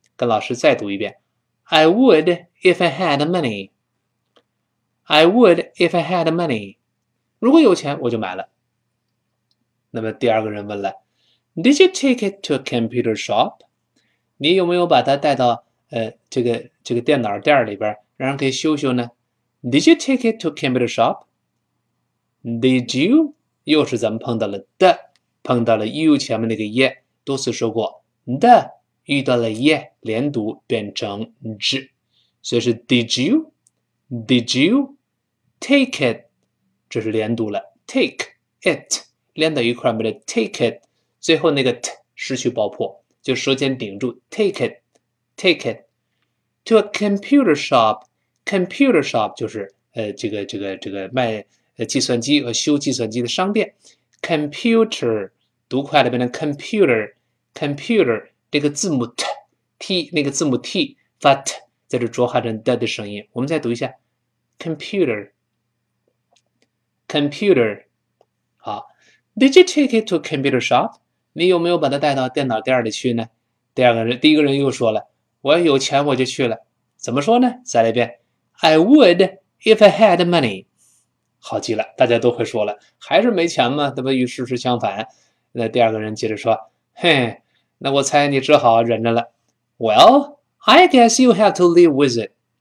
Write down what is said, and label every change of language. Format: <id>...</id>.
<zh>跟老师再读一遍</zh> <en>I would if I had moneyI would if I had money，</en> <zh>如果有钱我就买了。那么第二个人问了，</zh> <en>Did you take it to a computer shop？</en> <zh>你有没有把它带到这个电脑店里边让人可以修修呢？</zh> <en>Did you take it to a computer shop？</en> <zh>Did you 又是咱们碰到了的，碰到了 you 前面那个 ye， 多次说过的遇到了 ye 连读变成 z， 所以是</zh> <en>Did you take it，</en> <zh>这是连读了 take it， 连到一块没得 take it， 最后那个 t 失去爆破，就舌尖顶住</zh> <en>take it to a computer shop。</en> <zh>computer shop 就是这个卖计算机和修计算机的商店。 computer 读快了变成 computer， 这个字母 t 那个字母 t 发 t 在这浊化成 d 的声音，我们再读一下Computer。</zh> <en>好， Did you take it to a computer shop？</en> <zh>你有没有把它带到电脑店里去呢？第一个人又说了，我有钱我就去了。怎么说呢？再来一遍，</zh> <en>I would if I had money。</en> <zh>好极了，大家都会说了，还是没钱吗？那么与事实相反。那第二个人接着说，嘿，那我猜你只好忍着了。</zh> <en>Well, I guess you have to live with it。</en>